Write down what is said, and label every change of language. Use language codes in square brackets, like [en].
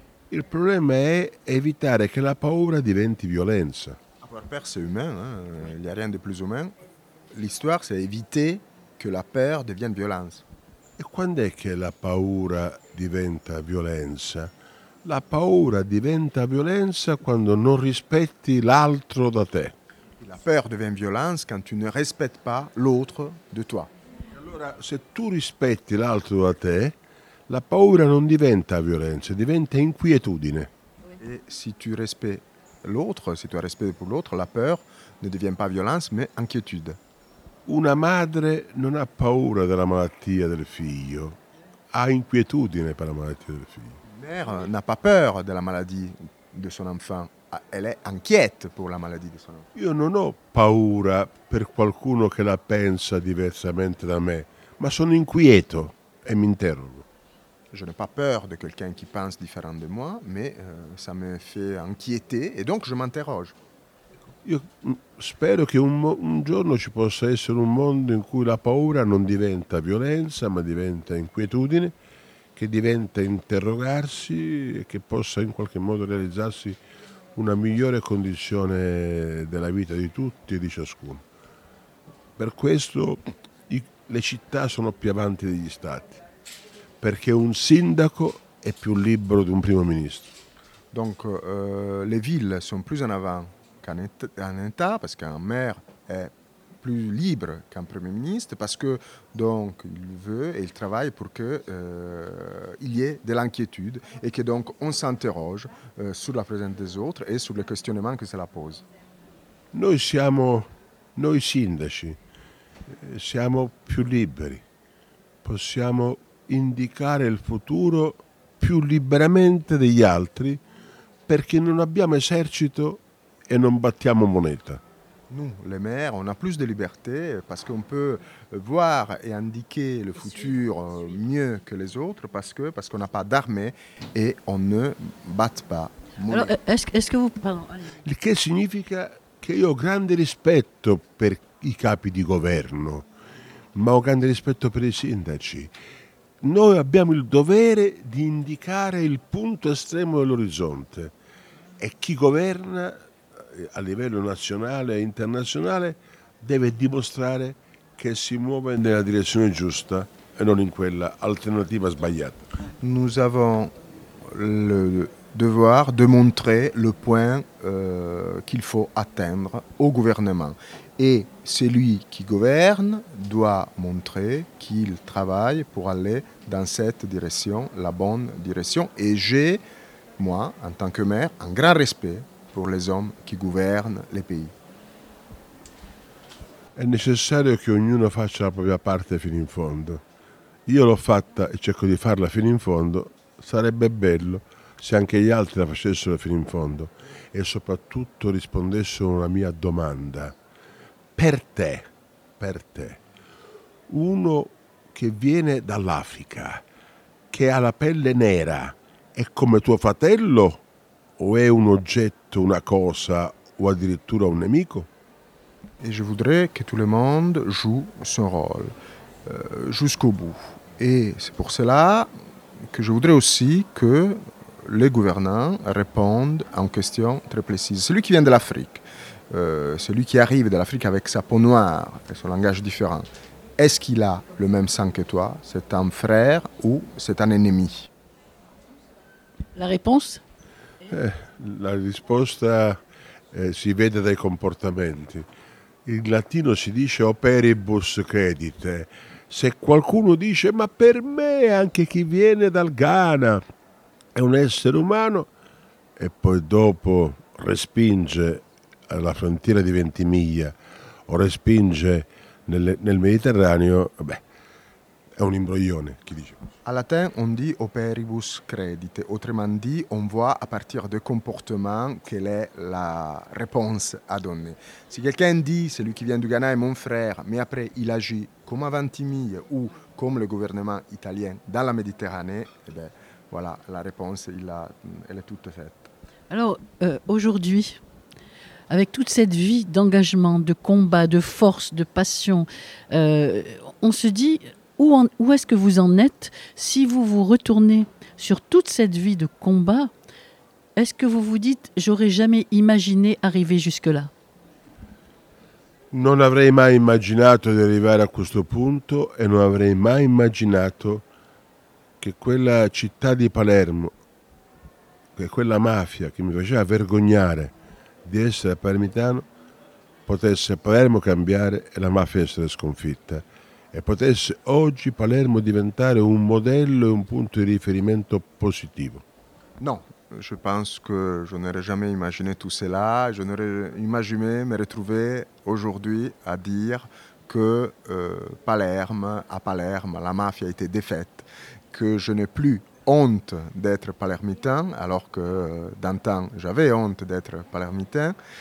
[it] Il problema è evitare che la paura diventi violenza. [fr] Avoir peur, c'est humain, hein. Il n'y a rien de plus humain. L'histoire, c'est éviter que la peur devienne violence. [it] E quando è che la paura diventa violenza? La paura diventa violenza quando non rispetti l'altro da te. [fr] La peur devient violence quand tu ne respectes pas l'autre de toi. [it] Allora, se tu rispetti l'altro da te, la paura non diventa violenza, diventa inquietudine. [fr] Et si tu respectes l'autre, si tu as respect pour l'autre, la peur ne devient pas violence, mais inquiétude. [it] Una madre non ha paura della malattia del figlio, ha inquietudine per la malattia del figlio. [fr] Une mère n'a pas peur de la maladie de son enfant, elle est inquiète pour la maladie de son enfant. [it] Io non ho paura per qualcuno che la pensa diversamente da me, ma sono inquieto e mi interrogo. [fr] Je n'ai pas peur de quelqu'un qui pense différent de moi, mais ça me fait inquiéter et donc je m'interroge. [it] Io spero che un giorno ci possa essere un mondo in cui la paura non diventa violenza, ma diventa inquietudine, che diventa interrogarsi e che possa in qualche modo realizzarsi una migliore condizione della vita di tutti e di ciascuno. Per questo le città sono più avanti degli stati, perché un sindaco è più libero di un primo ministro. [fr] Donc le ville sont plus en avant qu'un état, parce qu'un maire est plus libre qu'un premier ministre, parce que donc il veut et il travaille pour que il y ait de l'inquiétude et que donc on s'interroge sur la présence des autres et sur les questionnements que cela pose. [it] Noi siamo, noi sindaci, siamo più liberi, possiamo indicare il futuro più liberamente degli altri perché non abbiamo esercito e non battiamo moneta. [fr] Nous, les maires, on a plus de liberté parce qu'on peut voir et indiquer le futur mieux que les autres parce qu'on n'a pas d'armée et on ne bat pas. Alors, est-ce que vous... Pardon. [it] Il che significa che io ho grande rispetto per i capi di governo, ma ho grande rispetto per i sindaci. Noi abbiamo il dovere di indicare il punto estremo dell'orizzonte e chi governa a livello nazionale e internazionale deve dimostrare che si muove nella direzione giusta e non in quella alternativa sbagliata. [fr] Nous avons le devoir de montrer le point qu'il faut atteindre au gouvernement et celui qui gouverne doit montrer qu'il travaille pour aller dans cette direction, la bonne direction. Et j'ai, moi, en tant que maire, un grand respect pour les hommes qui gouvernent les pays. [it] È necessario che ognuno faccia la propria parte fino in fondo. Io l'ho fatta e cerco di farla fino in fondo. Sarebbe bello se anche gli altri la facessero fino in fondo e soprattutto rispondessero a una mia domanda. Per te, uno che viene dall'Africa, che ha la pelle nera, è come tuo fratello o è un oggetto, una cosa ou addirittura un nemico? [fr] Et je voudrais que tout le monde joue son rôle jusqu'au bout. Et c'est pour cela que je voudrais aussi que les gouvernants répondent à une question très précise. Celui qui vient de l'Afrique, celui qui arrive de l'Afrique avec sa peau noire et son langage différent, est-ce qu'il a le même sang que toi? C'est un frère ou c'est un ennemi? La réponse? [it] La risposta si vede dai comportamenti. In latino si dice [la] operibus credite. [it] Se qualcuno dice ma per me anche chi viene dal Ghana è un essere umano e poi dopo respinge alla frontiera di Ventimiglia o respinge nel Mediterraneo, è un imbroglione, chi dice. [fr] À latin, on dit [la] operibus credite. [fr] Autrement dit, on voit à partir de comportement quelle est la réponse à donner. Si quelqu'un dit « celui qui vient du Ghana est mon frère », mais après il agit comme à Ventimiglia ou comme le gouvernement italien dans la Méditerranée, eh bien, voilà, la réponse, elle est toute faite. Alors, aujourd'hui, avec toute cette vie d'engagement, de combat, de force, de passion, on se dit où est-ce que vous en êtes si vous vous retournez sur toute cette vie de combat? Est-ce que vous vous dites, j'aurais jamais imaginé arriver jusque-là? [it] Non avrei mai immaginato di arrivare a questo punto e non avrei mai immaginato che quella città di Palermo, che quella mafia che mi faceva vergognare di essere palermitano, potesse Palermo cambiare e la mafia essere sconfitta. E potesse oggi Palermo diventare un modello e un punto di riferimento positivo. No. [fr] Je pense que je n'aurais jamais imaginé tout cela. Je n'aurais imaginé me retrouver aujourd'hui à dire que à Palerme, la mafia a été défaite, que je n'ai plus honte d'être palermitain, alors que d'antan, j'avais honte d'être palermitain.